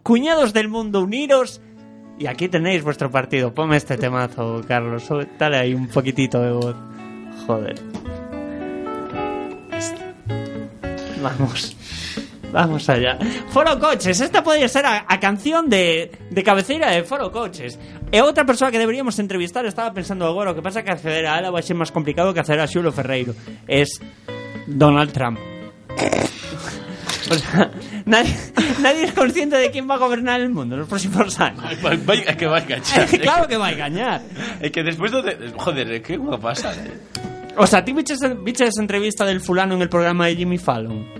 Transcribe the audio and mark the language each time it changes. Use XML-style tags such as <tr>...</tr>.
<es>Cuñados del mundo, uniros. Y aquí tenéis vuestro partido. Ponme este temazo, Carlos. Dale ahí un poquitito de voz. Joder. Vamos. Vamos allá. Foro Coches.</es> <gl>Esta podría ser a canción de cabecera de Foro Coches. E outra persoa que deberíamos entrevistar, estaba pensando agora, o que pasa que acceder a Álava vai ser máis complicado que acceder a Xulo Ferreiro.</gl> <es>Es Donald Trump. O sea, nadie es consciente de quién va a gobernar el mundo en los próximos años. Que va a engañar. Claro que va a engañar. Es que después de... Joder, ¿qué va a pasar? O sea, ¿tú viste esa entrevista del fulano en el programa de Jimmy Fallon?</es>